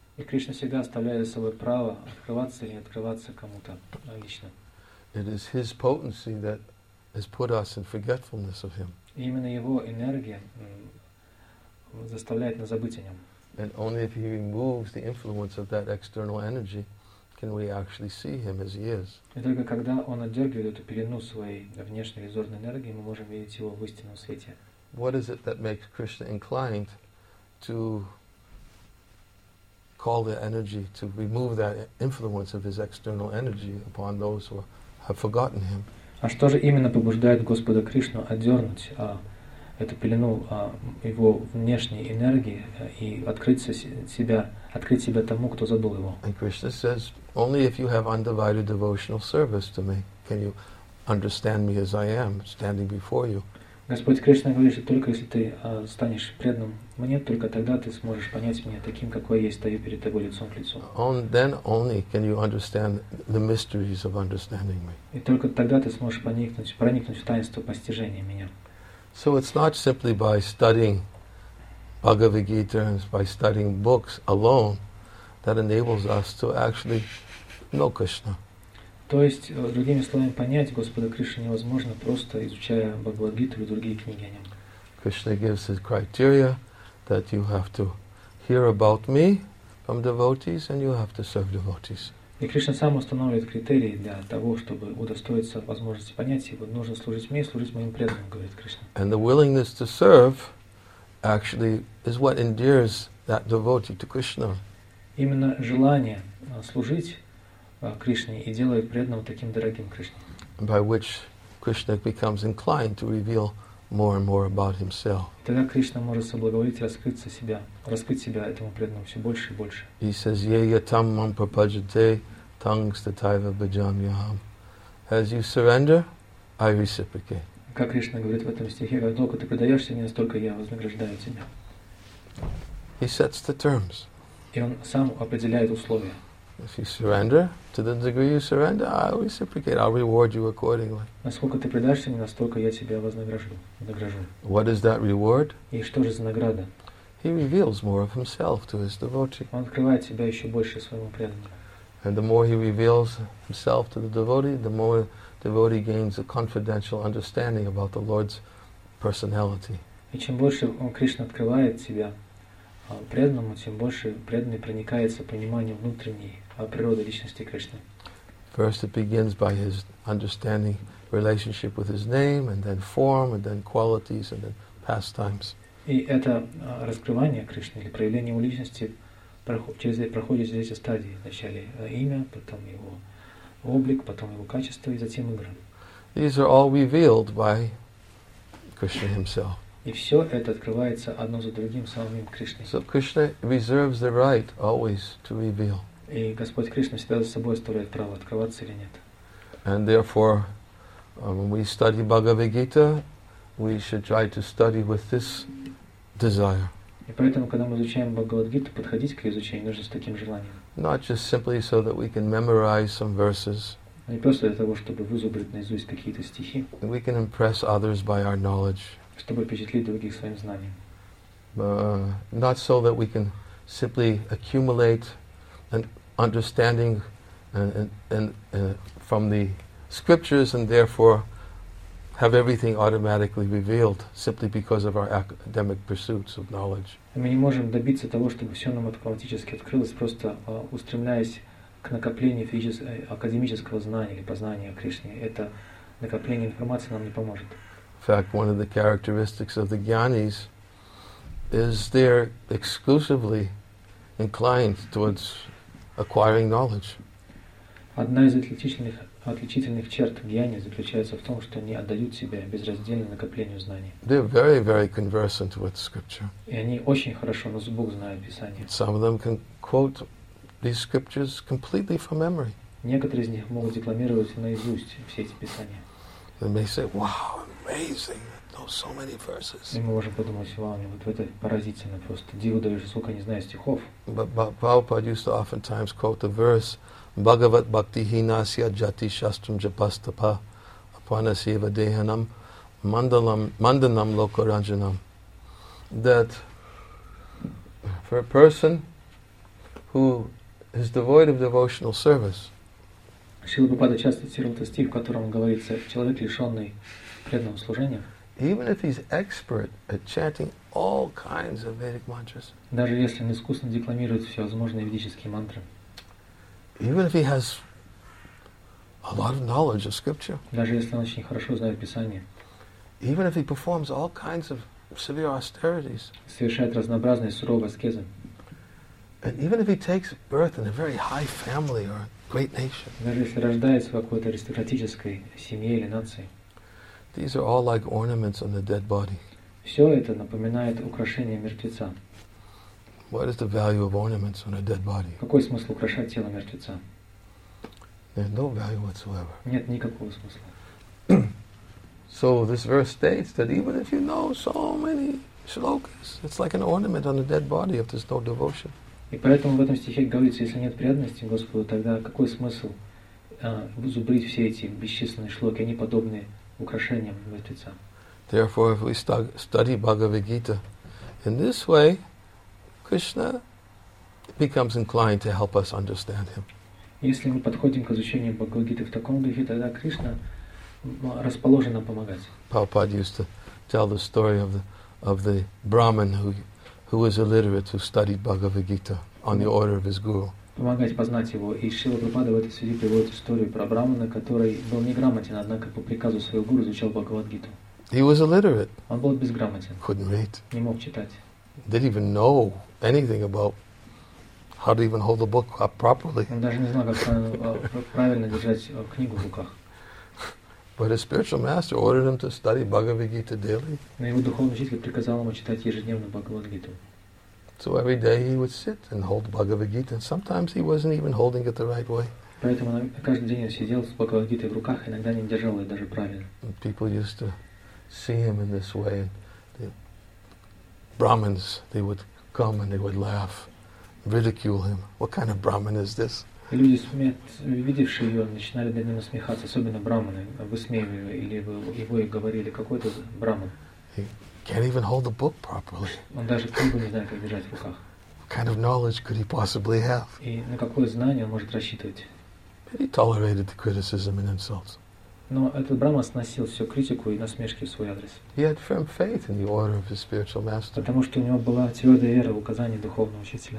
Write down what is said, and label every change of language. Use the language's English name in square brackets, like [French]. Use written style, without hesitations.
[Russian] И Кришна всегда оставляет за собой право открываться или не открываться кому-то лично. [English] It is his potency that has put us in forgetfulness of him. [Russian] И именно его энергия заставляет нас забыть о нем. [English] And only if he removes the influence of that external energy can we actually see him as he is. [Russian] И только когда он отдергивает эту пелену своей внешней иллюзорной энергии, мы можем видеть его в истинном свете. [English] What is it that makes Krishna inclined to call the energy, to remove that influence of his external energy upon those who have forgotten him? [Russian] А что же именно побуждает Господа Кришну отдернуть эту пелену его внешней энергии и открыть себя тому, кто забыл его. [English] And Krishna says, only if you have undivided devotional service to me can you understand me as I am, standing before you. [Russian] Господь Кришна говорит, что только если ты станешь преданным мне, только тогда ты сможешь понять меня таким, какой я стою перед тобой лицом к лицу. [English] Then only can you understand the mysteries of understanding me. [Russian] И только тогда ты сможешь проникнуть в таинство постижения меня. [English] So it's not simply by studying Bhagavad Gita and by studying books alone that enables us to actually know Krishna. [Russian] То есть, другими словами, понять Господа Кришну невозможно, просто изучая Бхагавад Гиту или другие книги о нем. [English] Krishna gives his criteria that you have to hear about me from devotees and you have to serve devotees. [Russian] И Кришна сам устанавливает критерии для того, чтобы удостоиться возможности понять его. Нужно служить мне и служить моим преданным, говорит Кришна. [English] And the willingness to serve actually is what endears that devotee to Krishna. [Russian] Именно желание служить Кришне и делает преданного таким дорогим Кришне. [English] By which Krishna becomes inclined to reveal more and more about himself. [Russian] Тогда Кришна может соблаговолить раскрыть себя этому преданному все больше и больше. [English] He says, [Sanskrit] "Yeya tam mam prapajate tangs tathaiva bhajamyaham." [English] As you surrender, I reciprocate. [Russian] Как Кришна говорит в этом стихе, как только ты предаешься мне, столько я вознаграждаю тебя. [English] He sets the terms. [Russian] И он сам определяет условия. [English] If you surrender, to the degree you surrender, I reciprocate, I'll reward you accordingly. [Russian] Насколько ты предашься мне, настолько я тебя вознагражу. [English] What is that reward? [Russian] И что же за награда? [English] He reveals more of himself to his devotee. [Russian] Он открывает себя еще больше своему преданному. [English] And the more he reveals himself to the devotee, the more the devotee gains a confidential understanding about the Lord's personality. [Russian] И чем больше он Кришна открывает себя преданному, тем больше преданный проникается пониманием внутренней природы личности Кришны. [English] First it begins by his understanding relationship with his name, and then form, and then qualities, and then pastimes. [Russian] И это раскрывание Кришны или проявление его личности проходит здесь стадии. Вначале имя, потом его облик, потом его качество, и затем игра. [English] These are all revealed by Krishna himself. [Russian] И все это открывается одно за другим самим Кришной. [English] So Krishna reserves the right always to reveal. [Russian] И Господь Кришна всегда за собой оставляет право, открываться или нет. [English] And therefore, when we study Bhagavad-gita, we should try to study with this desire. [Russian] И поэтому, когда мы изучаем Бхагавад-гиту, подходить к ее изучению нужно с таким желанием. [English] Not just simply so that we can memorize some verses. [Russian] Не просто для того, чтобы вызубрить наизусть какие-то стихи. [English] We can impress others by our knowledge. [Russian] Чтобы впечатлить других своим знанием. [English] Not so that we can simply accumulate an understanding from the scriptures and therefore have everything automatically revealed simply because of our academic pursuits of knowledge. [Russian] Мы не можем добиться того, чтобы все нам автоматически открылось, просто устремляясь к накоплению академического знания или познания Кришны. Это накопление информации нам не поможет. [English] In fact, one of the characteristics of the gyanis is they're exclusively inclined towards acquiring knowledge. [Russian] Одна из отличительных черт гьяни заключается в том, что они отдают себя безраздельно накоплению знаний. [English] They're very, very conversant with scripture. [Russian] И они очень хорошо на зубок знают Писание. [English] Some of them can quote these scriptures completely from memory. [Russian] Некоторые из них могут декламировать наизусть все эти Писания. [English] They may say, "Wow, amazing! I know so many verses." [Russian] И мы можем подумать, вау, вот это поразительно просто. Диву даешься, сколько не знаю стихов. [English] But Prabhupada used to oftentimes quote the verse. [Sanskrit] Bhagavat bhakti hinasya jati shastram japastapa apanasiva dehanam mandalam mandanam lokaranjanam. [English] That for a person who is devoid of devotional service. [Russian] Шрила Прабхупада часто цитировал этот стих, в котором говорится, человек лишенный преданного служения. [English] Even if he's expert at chanting all kinds of Vedic mantras. [Russian] Даже если он искусно декламирует всевозможные ведические мантры. [English] Even if he has a lot of knowledge of scripture. [Russian] Даже если он очень хорошо знает Писание. [English] Even if he performs all kinds of severe austerities. [Russian] Совершает разнообразные суровые аскезы. [English] And even if he takes birth in a very high family or a great nation. [Russian] Даже если рождается в какой-то аристократической семье или нации. [English] These are all like ornaments on the dead body. [Russian] Все это напоминает украшение мертвеца. [English] What is the value of ornaments on a dead body? [Russian] Какой смысл украшать тело мертвеца? [English] There's no value whatsoever. [Russian] Нет никакого смысла. [English] So this verse states that even if you know so many shlokas, it's like an ornament on a dead body if there's no devotion. [Russian] И поэтому в этом стихе говорится, если нет преданности Господу, тогда какой смысл зубрить все эти бесчисленные шлоки? Они подобны украшениям мертвеца. [English] Therefore, if we study Bhagavad Gita in this way, Krishna becomes inclined to help us understand him. [Russian] Если мы подходим к изучению Бхагавад-гиты в таком духе, тогда Кришна расположен нам помогать. [English] Prabhupada used to tell the story of the Brahmin who was illiterate, who studied Bhagavad-gita on the order of his guru. [Russian] Помогать познать его. И Шрила Прабхупада в этой связи приводит историю про Брамана, который был неграмотен, однако по приказу своего гуру изучал Бхагавад-гиту. [English] He was illiterate. [Russian] Он был безграмотен. [English] Couldn't read. [Russian] Не мог читать. [English] Didn't even know anything about how to even hold the book up properly. [Russian] Он даже не знал, как правильно держать книгу в руках. [English] But his spiritual master ordered him to study Bhagavad Gita daily. [Russian] Но его духовный учитель приказал ему читать ежедневно Бхагавад Гиту. [English] So every day he would sit and hold Bhagavad Gita, and sometimes he wasn't even holding it the right way. [Russian] Поэтому каждый день он сидел с Бхагавад Гитой в руках, иногда не держал ее даже правильно. [English] People used to see him in this way. Brahmins, they would come and they would laugh, ridicule him. What kind of Brahmin is this? [Russian] Люди, видевшие его, начинали над ним смеяться, особенно брахманы, высмеивали его или его и говорили, какой это брахман. [English] He can't even hold the book properly. [Russian] Он даже книгу не знает, как держать в руках. [English] What kind of knowledge could he possibly have? [Russian] И на какое знание он может рассчитывать? [English] He tolerated the criticism and insults. [Russian] Но этот Брама сносил всю критику и насмешки в свой адрес. [English] He had firm faith in the order of his spiritual master. [Russian] Потому что у него была твердая вера в указании духовного учителя.